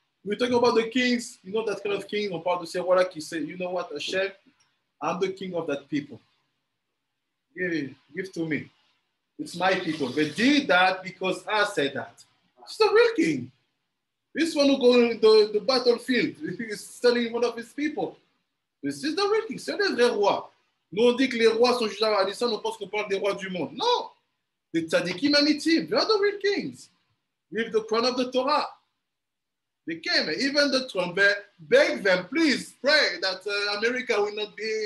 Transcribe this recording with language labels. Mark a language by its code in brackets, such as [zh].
[en] We're talking about the kings, you know, that kind of king, or part of the Sewarak, you say, you know what, Hashem, I'm the king of that people. Give to me. It's my people. They did that because I said that. It's the real king. This one who goes in the battlefield, he's telling one of his people. This is the real king. [fr] C'est le vrai roi. Nous, on dit que les rois sont jugés à Nissan, on pense qu'on parle des rois du monde. [en] No. The tzadikim and mitzvim, they are the real kings. With the crown of the Torah. They came, even the Trump, they beg them, please pray that America will not be.